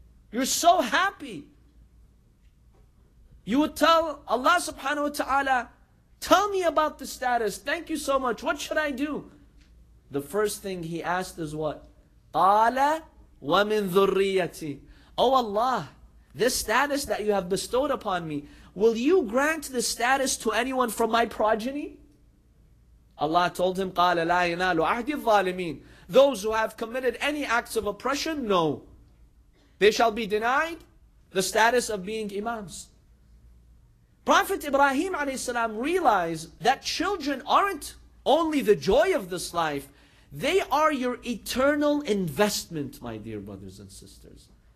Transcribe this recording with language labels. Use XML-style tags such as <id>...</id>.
<en>You're so happy. You would tell Allah subhanahu wa ta'ala, tell me about the status. Thank you so much. What should I do? The first thing he asked is what?</en> <ar>قَالَ وَمِن ذُرِّيَّتِي.</ar> <en>Oh Allah, this status that you have bestowed upon me, will you grant the status to anyone from my progeny? Allah told him,</en> <ar>قَالَ لَا يَنَالُ عَهْدِ الظَّالِمِينَ.</ar> <en>Those who have committed any acts of oppression, no. They shall be denied the status of being imams. Prophet Ibrahim a.s. realized that children aren't only the joy of this life, they are your eternal investment, my dear brothers and sisters.</en>